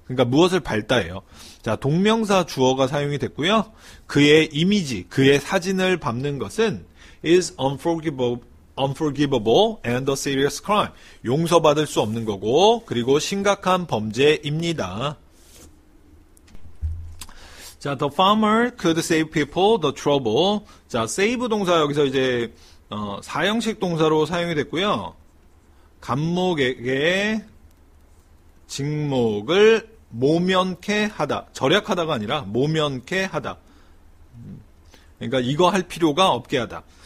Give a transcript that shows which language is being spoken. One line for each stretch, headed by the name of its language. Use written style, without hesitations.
Korean: 그러니까 무엇을 밟다예요. 자, 동명사 주어가 사용이 됐고요. 그의 이미지, 그의 사진을 밟는 것은
English: is unforgivable and a serious crime.
Korean: 용서받을 수 없는 거고 그리고 심각한 범죄입니다.
English: 자, the farmer could save people the trouble.
Korean: 자, save 동사 여기서 이제 사형식 동사로 사용이 됐고요. 감목에게 직목을 모면케 하다. 절약하다가 아니라 모면케 하다. 그러니까 이거 할 필요가 없게 하다.